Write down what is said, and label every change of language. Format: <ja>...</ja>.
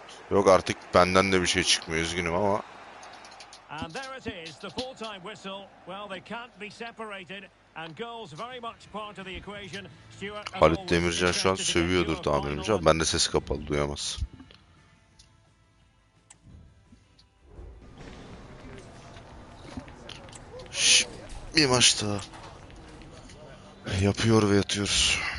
<tr>Yok artık benden de bir şey çıkmıyor, üzgünüm ama.</tr> <en>And there it is, the full time whistle. Well, they can't be separated and goals very much part of the equation.</en> <tr>Halit Demircan şu an sövüyordur tahminimce. Ben de sesi kapalı duyamaz. Şşş, bir maç daha. Yapıyor ve yatıyoruz.</tr>